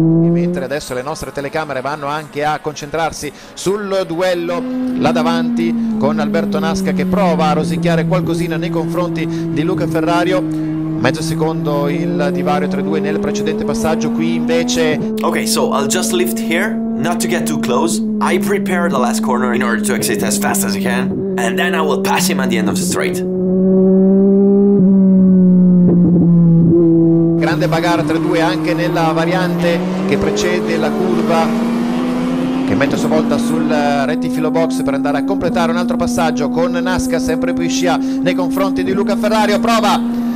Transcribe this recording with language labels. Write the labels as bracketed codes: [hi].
[it] Mentre adesso le nostre telecamere vanno anche a concentrarsi sul duello là davanti con Alberto Nasca che prova a rosicchiare qualcosina nei confronti di Luca Ferrario. Mezzo secondo il divario tra i due nel precedente passaggio, qui invece... [en] Okay, so I'll just lift here, not to get too close. I prepare the last corner in order to exit as fast as I can, and then I will pass him at the end of the straight. [it] Grande bagarre tra i due anche nella variante che precede la curva, che mette a sua volta sul rettifilo box per andare a completare un altro passaggio con Nasca sempre più in scia nei confronti di Luca Ferrario. Prova!